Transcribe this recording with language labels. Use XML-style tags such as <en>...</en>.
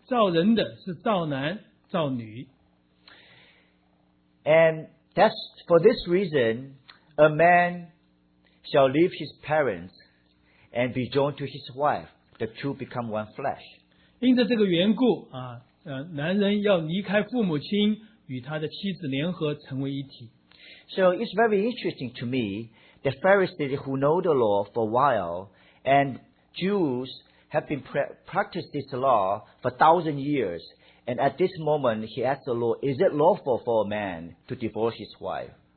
<zh>主耶稣回答说，你难道没有念过这经吗？经上是怎么说的呢？那个造人的是造男造女。</zh> <en>And that's for this reason, a man shall leave his parents and be joined to his wife. The two become one flesh.</en> <zh>因着这个缘故，男人要离开父母亲，与他的妻子联合成为一体。</zh> <en>So it's very interesting to me, the Pharisees who know the law for a while, and Jews have been practiced this law for 1,000 years, and at this moment, he asked the Lord, is it lawful for a man to divorce his wife?</en>